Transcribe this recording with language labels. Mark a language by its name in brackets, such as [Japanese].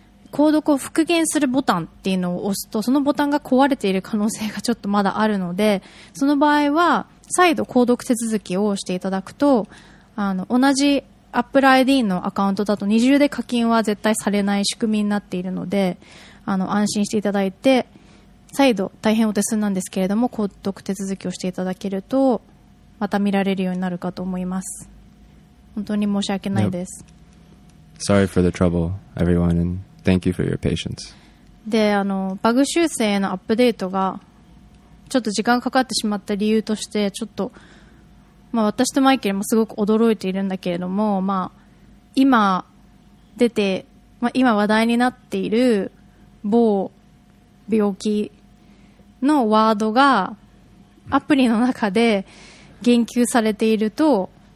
[Japanese] 購読を復元するボタンっていうのを押すと、そのボタンが壊れている可能性がちょっとまだあるので、その場合は再度購読手続きをしていただくと、同じ Apple ID のアカウントだと二重で課金は絶対されない仕組みになっているので、安心していただいて、再度大変お手数なんですけれども購読手続きをしていただけるとまた見られるようになるかと思います。本当に申し訳ないです。 [English] Sorry for the trouble everyone and thank you for your patience. [Japanese] で、バグ修正のアップデートがちょっと時間かかってしまった理由として、ちょっと、まあ、私とマイケルもすごく驚いているんだけれども、まあ今出て、まあ、今話題になっている某病気のワードがアプリの中で言及されていると